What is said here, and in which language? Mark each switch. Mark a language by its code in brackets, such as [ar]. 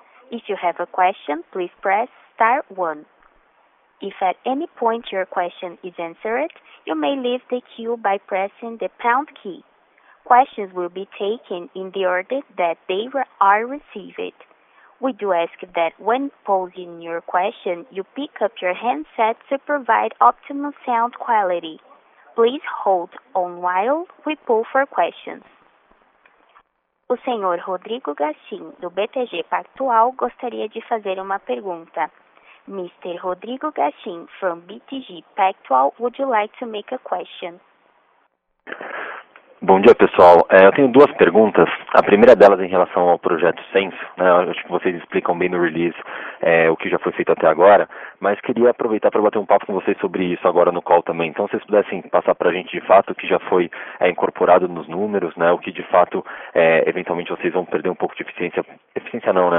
[en] If you have a question, please press star 1. If at any point your question is answered, you may leave the queue by pressing the pound key. Questions will be taken in the order that they are received. We do ask that when posing your question, you pick up your handset to provide optimal sound quality. Please hold on while we pull for questions. [pt] O senhor Rodrigo Gastim, do BTG Pactual, gostaria de fazer uma pergunta. [en] Mr. Rodrigo Gastim, from BTG Pactual, would you like to make a question? [pt] Bom dia, pessoal. Eu tenho duas perguntas. A primeira delas em relação ao projeto Senso, né? Acho que vocês explicam bem no release, o que já foi feito até agora, mas queria aproveitar para bater um papo com vocês sobre isso agora no call também. Então, se vocês pudessem passar para a gente de fato o que já foi, incorporado nos números, né? O que de fato, eventualmente vocês vão perder um pouco de eficiência, eficiência não, né?